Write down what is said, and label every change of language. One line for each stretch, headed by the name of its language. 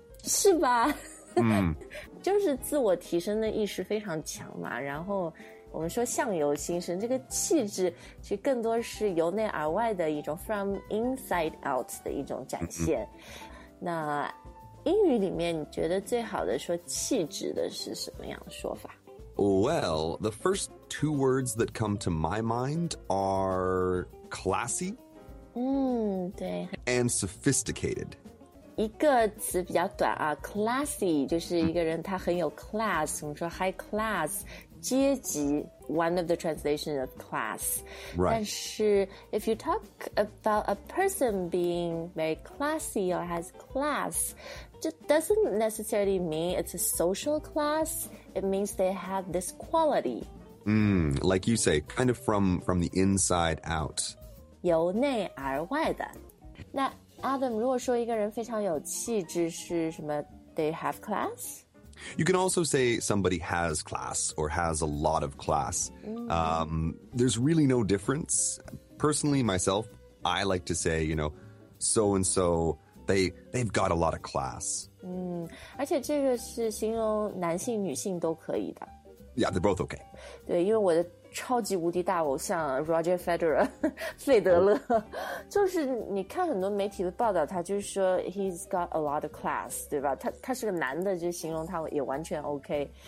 Chinese: 是吧？就是自我提升的意识非常强嘛，然后我们说相由心生，这个气质其实更多是由内而外的一种
English: from inside out
Chinese: 的一种展现。那英语里面你觉得最好的说气质的是什么样的说法？
English: Well, the first two words that come to my mind are classy,
Chinese: 对
English: and sophisticated.
Chinese: 一个词比较短啊 classy 就是一个人他很有 class, 我们说 high class, 阶级
English: one of the translations of class.、 Right.
Chinese: 但是
English: if you talk about a person being very classy or has class, it doesn't necessarily mean it's a social class, it means they have this quality.、 Like you say, kind of from the inside out.
Chinese: 由内而外的。那Adam, 如果说一个人非常有气质是什么
English: they have class? You can also say somebody has class or has a lot of class.、There's really no difference. Personally, myself, I like to say, you know, so-and-so, they've got a lot of class.、
Chinese: 而且这个是形容男性女性都可以的。
English: Yeah, they're both okay.
Chinese: 对，因为我的超级无敌大偶像 Roger Federer 费德勒、就是你看很多媒体的报道，他就是说
English: he's got a lot of class,
Chinese: 对吧？他是个男的，就形容他也完全 OK。